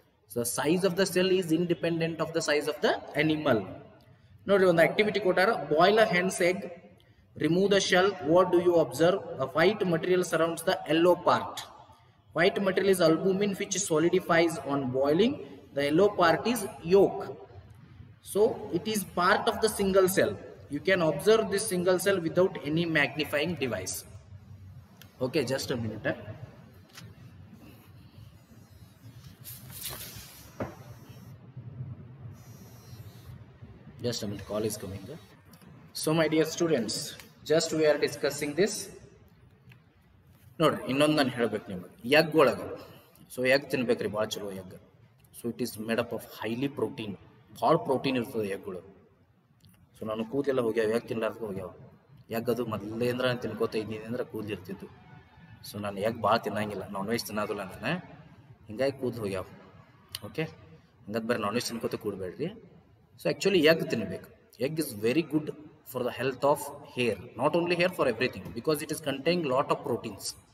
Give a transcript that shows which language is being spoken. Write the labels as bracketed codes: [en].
[en] So size of the cell is independent of the size of the animal. [kn] ನೋಡಿ, ಒಂದು activity ಕೊಟ್ಟಾರ, [en] Boil a hens egg, remove the shell, what do you observe? A white material surrounds the yellow part. White material is albumin which solidifies on boiling. The yellow part is yolk. So it is part of the single cell. You can observe this single cell without any magnifying device. Okay, just a minute. Just a minute, call is coming. So my dear students, just we are discussing this. [kn] ನೋಡ್ರಿ ಇನ್ನೊಂದನ್ನು ಹೇಳಬೇಕು ನಿಮಗೆ egg ಒಳಗೆ so egg ತಿನ್ಬೇಕ್ರಿ ಭಾಳ ಚಲೋ egg [en] so it is made up of highly protein [kn] ಭಾಳ protein ಇರ್ತದೆ ಎಗ್ಗಳು so ನಾನು ಕೂದಲೆಲ್ಲ ಹೋಗ್ಯಾವ ಎಗ್ ತಿನ್ಲಾರ್ದು ಹೋಗ್ಯಾವ ಎಗ್ ಅದು ಮೊದಲೇಂದ್ರ ತಿನ್ಕೋತ ಇದ್ದೀನಿಂದ್ರೆ ಕೂದಲಿರ್ತಿತ್ತು ಸೊ ನಾನು ಎಗ್ ಭಾಳ ತಿನ್ನಂಗಿಲ್ಲ ನಾನ್ ವೆಜ್ ತಿನ್ನೋದಿಲ್ಲ ನಾನು ಹಿಂಗಾಗಿ ಕೂದಲು ಹೋಗ್ಯಾವ ಓಕೆ ಹಂಗದ ಬೇರೆ non veg ತಿನ್ಕೋತ ಕೂಡಬೇಡ್ರಿ so actually egg ತಿನ್ಬೇಕು [en] egg is very good for the health of hair not only hair for everything because it is contain lot of proteins